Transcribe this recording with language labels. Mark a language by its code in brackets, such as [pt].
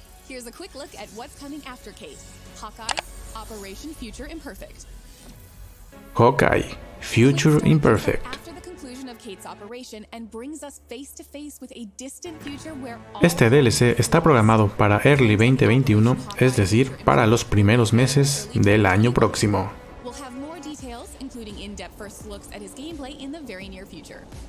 [en] Here's a quick look at what's coming after Kate. Hawkeye, Operation Future Imperfect. Hawkeye, Future Imperfect. After the conclusion of Kate's operation and brings us face to face with a distant future where all. [es] Este DLC está programado para [en] early [es] 2021, es decir, para los primeros meses del año próximo. [en] We'll have more details, including in-depth first looks at his gameplay in the very near future.